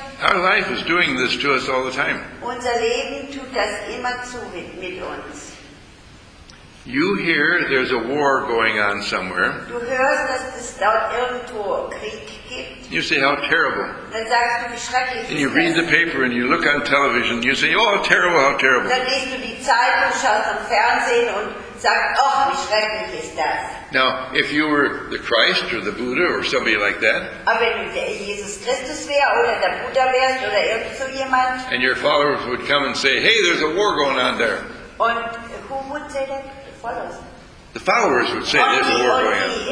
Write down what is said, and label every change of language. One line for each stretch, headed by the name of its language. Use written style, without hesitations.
English: Our life is doing this to us all the time.
German: Unser Leben tut das immer zu mit uns.
English: You hear there's a war going on somewhere.
German: Du hörst, dass es dort irgendwo Krieg gibt.
English: You say, how terrible.
German: Dann sagst du, wie schrecklich.
English: And you read the paper and you look on television, you say, oh, terrible, how terrible.
German: Dann liest du die Zeitung, schaust am Fernsehen und sagst, oh, wie schrecklich ist das.
English: Now, if you were the Christ or the Buddha or somebody like that,
German: aber wenn du Jesus Christus wärst oder der Buddha wärst oder irgend so jemand,
English: and your followers would come and say, hey, there's a war going on there. Und who would say that? The followers would say there's a war going on.